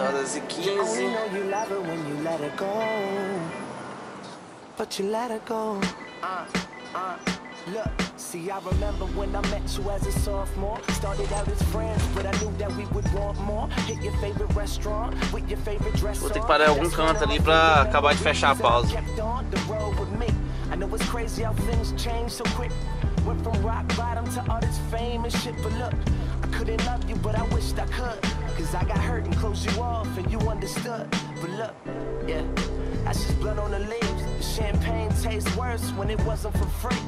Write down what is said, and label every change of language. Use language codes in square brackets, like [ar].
[en] Only know you love her when you let her go. But you let her go. Look. See, I remember when I met you as a sophomore. Started out as friends, but I knew that we would want more. Hit your favorite restaurant with your favorite dress. [pt] Vou ter que parar em algum canto ali pra acabar de fechar a pausa. [en] Kept on the road with me. I know it's crazy how things change so quick. Went from rock bottom to all this fame and shit. But look, I couldn't love you, but I wished I could. Cause I got hurt and closed you off and you understood. But look, yeah, that's just blood on the leaves. The champagne tastes worse when it wasn't for free.